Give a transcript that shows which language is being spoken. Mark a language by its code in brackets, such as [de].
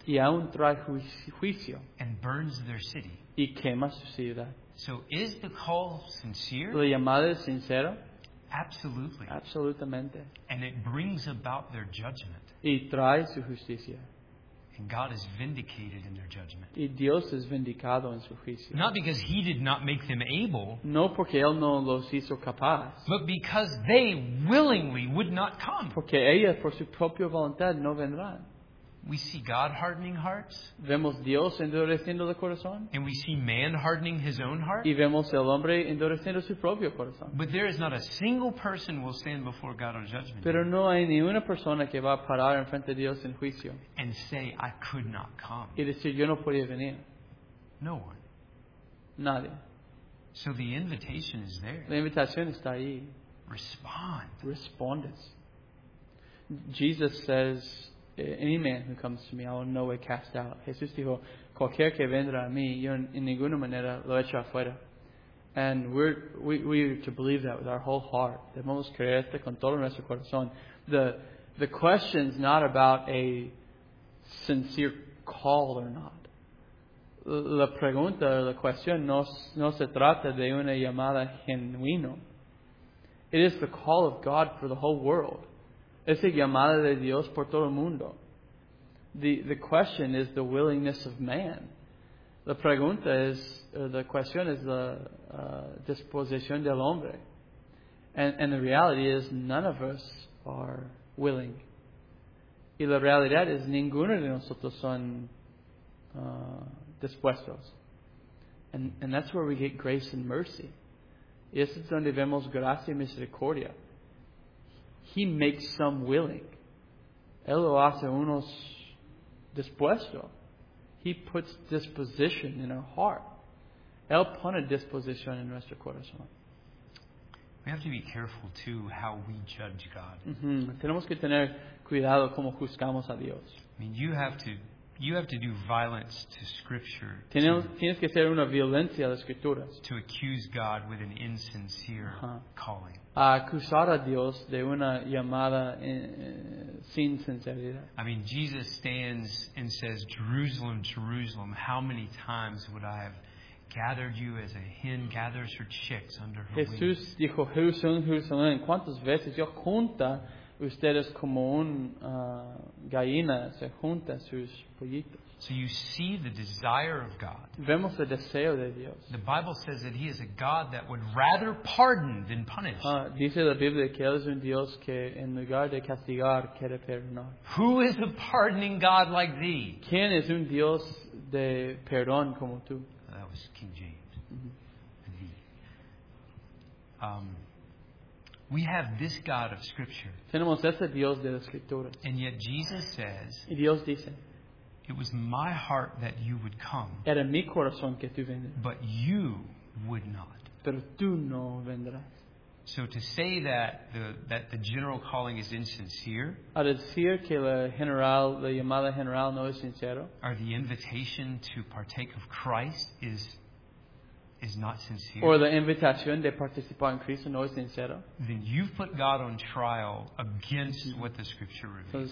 [es] Y aún trae juicio. [en] And burns their city. [es] Y quema su ciudad. [en] So is the call sincere? [es] ¿La llamada es sincera? [en] Absolutely. [es] Absolutamente. [en] And it brings about their judgment. [es] Y trae su justicia. [en] And God is vindicated in their judgment. [es] Y Dios es vindicado en su juicio. [en] Not because he did not make them able. [es] No porque él no los hizo capaz. [en] But because they willingly would not come. [es] Porque ella por su propia voluntad no vendrán. [en] We see God hardening hearts. [es] Vemos Dios endureciendo el corazón. [en] And we see man hardening his own heart. [es] Y vemos el hombre endureciendo su propio corazón. [en] But there is not a single person will stand before God on judgment. [es] Pero no hay ni una persona que va a parar en frente de Dios en juicio. [en] And say, I could not come. [es] Y decir, yo no podía venir. [en] No one. [es] Nadie. [en] So the invitation is there. [es] La invitación está ahí. [en] Respond. [es] Respondes. [en] Jesus says, any man who comes to me, I will no way cast out. [es] Jesús dijo, cualquier que vendrá a mí, yo en ninguna manera lo echo afuera. [en] And we're to believe that with our whole heart. [es] Debemos creer esto con todo nuestro corazón. [en] The question is not about a sincere call or not. [es] La pregunta, la cuestión, no se trata de una llamada genuina. [en] It is the call of God for the whole world. [es] Es la llamada de Dios por todo el mundo. [en] The question is the willingness of man. [es] La pregunta es, [en] the question is the [es] disposición del hombre. [en] And the reality is none of us are willing. [es] Y la realidad es ninguno de nosotros son dispuestos. [en] And that's where we get grace and mercy. [es] Y eso es donde vemos gracia y misericordia. [en] He makes some willing. [es] Él lo hace unos dispuesto. [en] He puts disposition in our heart. [es] Él pone disposición en nuestro corazón. [en] We have to be careful too how we judge God. Mm-hmm. [es] Tenemos que tener cuidado cómo juzgamos a Dios. [en] I mean, you have to do violence to Scripture. [es] Tienes que hacer una violencia a las Escrituras. [en] To accuse God with an insincere calling. [es] A acusar a Dios de una llamada sin sinceridad. [en] I mean, Jesus stands and says, Jerusalem, Jerusalem, how many times would I have gathered you as a hen gathers her chicks under her [es] Jesús [en] wings? [es] Jesús dijo, Jerusalem, Jerusalem, ¿cuántas veces yo junta ustedes como un gallina se junta sus pollitos? [en] So you see the desire of God. [es] Vemos el deseo de Dios. [en] The Bible says that He is a God that would rather pardon than punish. [es] Dice la Biblia que Él es un Dios que en lugar de castigar quiere perdonar. [en] Who is a pardoning God like thee? [es] ¿Quién es un Dios de perdón como tú? [en] That was King James. Mm-hmm. We have this God of Scripture. [es] Tenemos este Dios de la Escritura. [en] And yet Jesus says, [es] y Dios dice, [en] it was my heart that you would come, [es] era mi corazón que tú vendrás, [en] but you would not. [es] Pero tú no vendrás. [en] So to say that the general calling is insincere, [es] a decir que la llamada general no es sincero, [en] or the invitation to partake of Christ is not sincere, or the invitation [es] de participar en Cristo no es sincero, [en] then you've put God on trial against mm-hmm. what the Scripture reveals.